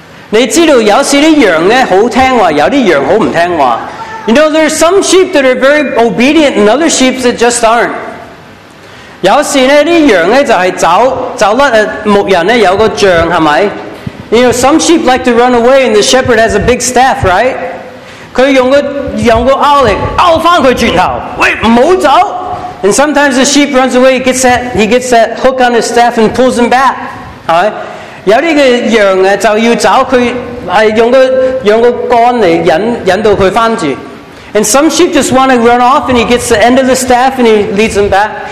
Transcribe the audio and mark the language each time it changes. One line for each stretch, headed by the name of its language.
Cantonese: 你知道有时啲羊咧好听话，有啲羊好唔听话。
English: You know, there are some sheep that are very obedient, and other sheep that just aren't.
Cantonese: 有时咧啲羊咧就系走走甩，牧人咧有个杖系咪
English: ？You know, some sheep like to run away, and the shepherd has a big staff, right?
Cantonese: 佢用个拗力拗翻佢转头，喂唔好走。
English: And sometimes the sheep runs away, he gets that hook on his staff and pulls him back, right?
Cantonese: 有啲嘅羊啊，就要找佢，系用个杆嚟引导佢翻住。
English: And some sheep just want to run off, and he gets the end of the staff, and he leads them back.